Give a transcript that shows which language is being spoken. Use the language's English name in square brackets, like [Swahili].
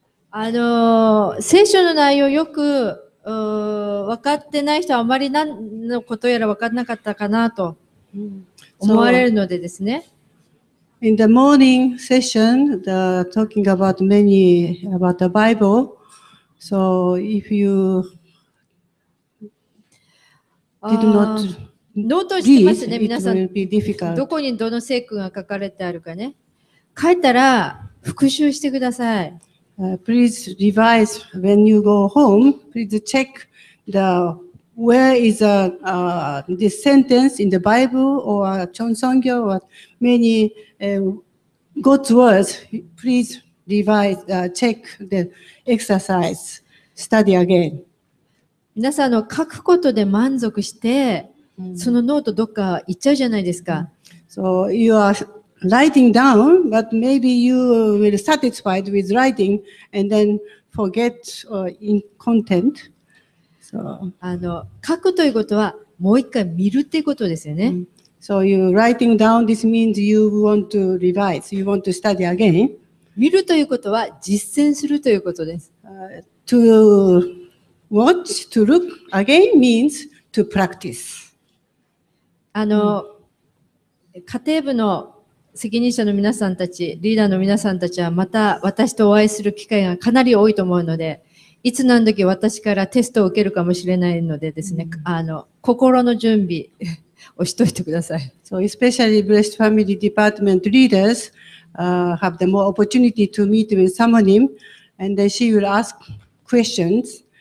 [Japanese] あの、聖書の内容よく分かってない人はあまり何のことやら分かんなかったかなと思われるのでですね。 [English] So, In the morning session, the talking about many about the Bible. So if you did not read, it will be difficult. [Japanese] どこにどの聖句が書かれてあるかね。書いたら復習してください。 [English] Please revise when you go home. Please check the where is this sentence in the Bible or Chonsongyo or many. God's words, please revise, check the exercise, study again. [Japanese] 皆さん、書くことで満足して、そのノートどっか行っちゃうじゃないですか。 [English] So you are writing down, but maybe you will be satisfied with writing and then forget in content. [Japanese] So, 書くということはもう一回見るってことですよね。 [English] So you writing down, this means you want to revise, you want to study again. [Japanese] 見るということは実践するということです。 [English] To watch, to look again means to practice. [Japanese] 家庭部の責任者の皆さんたち、リーダーの皆さんたちはまた私とお会いする機会がかなり多いと思うので、いつ何時私からテストを受けるかもしれないのでですね、心の準備。押しといてください。 [English] So especially blessed family department leaders have the more opportunity to meet with Samonim, and then she will ask questions.